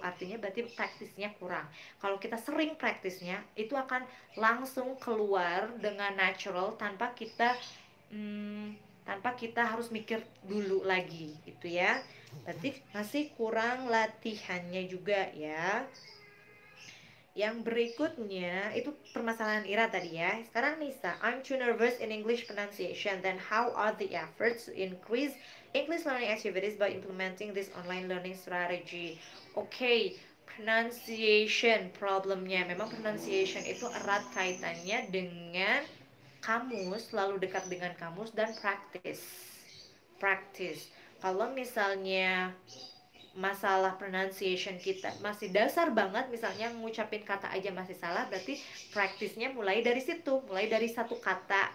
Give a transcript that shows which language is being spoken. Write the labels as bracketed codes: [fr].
[id] Artinya berarti praktisnya kurang. Kalau kita sering praktisnya, itu akan langsung keluar dengan natural tanpa kita tanpa kita harus mikir dulu lagi gitu ya. Berarti masih kurang latihannya juga ya. Yang berikutnya itu permasalahan Ira tadi ya. Sekarang Nisa, [en] I'm too nervous in English pronunciation. Then how are the efforts to increase English learning activities by implementing this online learning strategy? [id] Okay. Pronunciation problemnya. Memang pronunciation itu erat kaitannya dengan kamus, lalu dekat dengan kamus, dan praktis. Praktis. Kalau misalnya masalah pronunciation kita masih dasar banget, misalnya ngucapin kata aja masih salah, berarti praktisnya mulai dari situ, mulai dari satu kata.